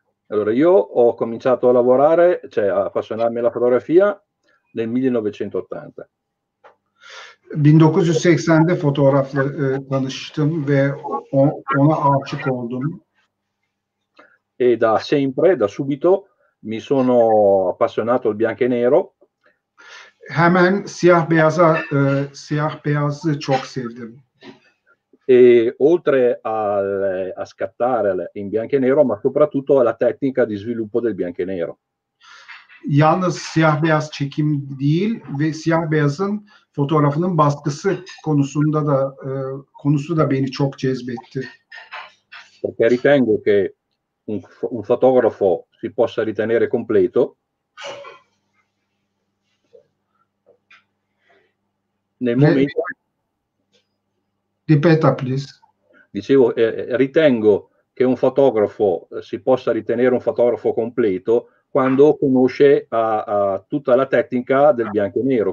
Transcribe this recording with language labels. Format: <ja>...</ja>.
<it>Allora, io ho cominciato a lavorare, cioè a appassionarmi alla fotografia nel 1980.</it> <tr>1980'de fotoğrafla tanıştım ve ona aşık oldum.</tr> <it>E da sempre, da subito, mi sono appassionato al bianco e nero.</it> <tr>Hemen siyah beyazı çok sevdim.</tr> <it>E oltre a scattare in bianco e nero, ma soprattutto alla tecnica di sviluppo del bianco e nero.</it> <tr>Yalnız siyah beyaz çekim değil ve siyah beyazın fotoğrafının baskısı konusunda da konusu da beni çok cezbetti.</tr> <it>Perché ritengo che un fotografo si possa ritenere completo nel momento. Ripeta, please. Dicevo, ritengo che un fotografo si possa ritenere un fotografo completo quando conosce a tutta la tecnica del bianco e nero.</it>